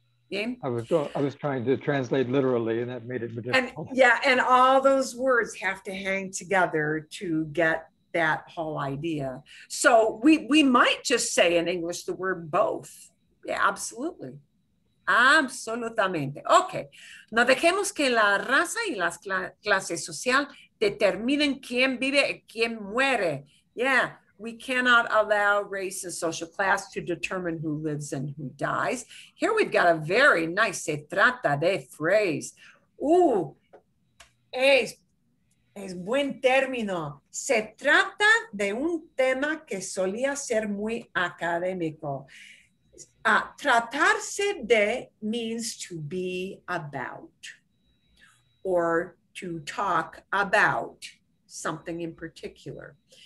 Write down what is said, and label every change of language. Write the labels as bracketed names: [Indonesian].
[English] Game? I was trying to translate literally and that made it difficult. And, yeah, and all those words have to hang together to get that whole idea. So we might just say in English the word both. Yeah, absolutely. Absolutamente. Okay. [Spanish] No dejemos que la raza y las clases social determinen quién vive y quién muere. [English] Yeah, we cannot allow race and social class to determine who lives and who dies. Here we've got a very nice [Spanish] se trata de [English] phrase. [Spanish] Ooh, es buen término. Se trata de un tema que solía ser muy académico. [English] Tratarse de means to be about or to talk about something in particular.